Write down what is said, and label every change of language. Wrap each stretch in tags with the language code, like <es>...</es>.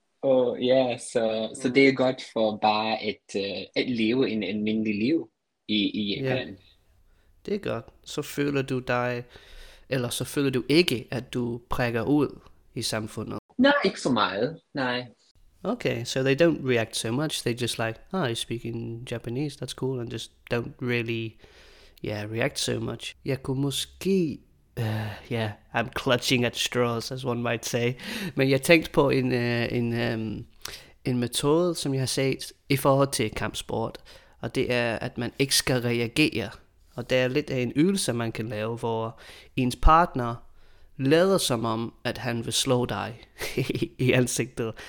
<da>Og ja, så det er godt for bare at leve en almindelig liv i Japan. Det er godt. Så føler du dig, eller så føler du ikke, at du prikker ud i samfundet? Nej, ikke så meget, nej.</da> <en>Okay, so they don't react so much. They just like, oh, you're speaking Japanese, that's cool, and just don't really, react so much.</en> <da>Jeg kunne måske,</da> <en>I'm clutching at straws, as one might say.</en> <da>Men jeg tænkte på en metode, som jeg har set i forhold til kampsport, og det er, at man ikke skal reagere. Og det er lidt af en øvelse, man kan lave, hvor ens partner lader som om, at han vil slå dig i ansigtet.</da>